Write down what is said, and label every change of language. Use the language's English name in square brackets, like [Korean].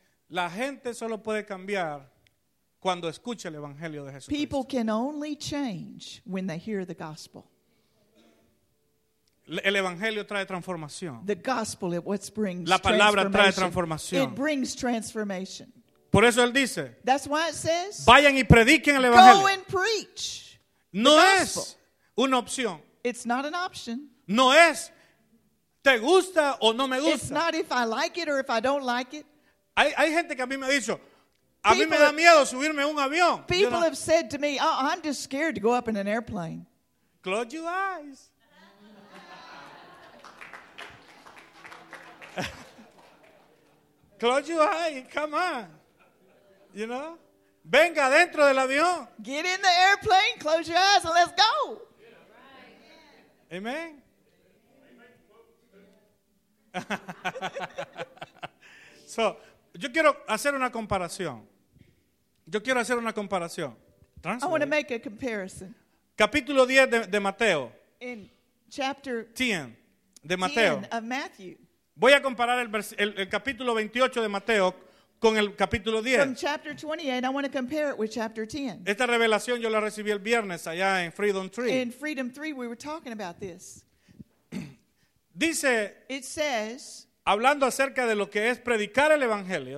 [Spanish] La gente solo puede cambiar cuando escucha el evangelio de Jesucristo. [English] People can only change when they hear the gospel. [Spanish] El evangelio trae transformación. [English] The gospel it what brings. [Spanish] La palabra trae transformación. [English] It brings transformation. [Spanish] Por eso él dice. [English] That's why it says. [Spanish] Vayan y prediquen el evangelio. [English] Go and preach. [Spanish] No es una opción. [English] It's not an option. [Spanish] No es te gusta o no me gusta. [English] It's not if I like it or if I don't like it. [Spanish] Hay gente que a mí me ha dicho, a mí me da miedo subirme a un avión. [English] People have said to me, oh, I'm just scared to go up in an airplane. Close your eyes. Close your eyes, come on. You know? [Spanish] Venga dentro del avión. [English] Get in the airplane, close your eyes, and let's go. Yeah. Amen. [Spanish] So, yo quiero hacer una comparación. Yo quiero hacer una comparación. [English] Translate. I want to make a comparison. [Spanish] Capítulo 10 de Mateo. [English] In chapter [Spanish] 10 de Mateo. [English] 10 of Matthew. [Spanish] Voy a comparar el capítulo 28 de Mateo con el capítulo 10. [English] From chapter 28, I want to compare it with chapter 10. [Spanish] Esta revelación yo la recibí el viernes allá en Freedom 3. [English] In Freedom 3 we were talking about this. [Spanish] Dice, [English] it says, [Spanish] hablando acerca de lo que es predicar el evangelio.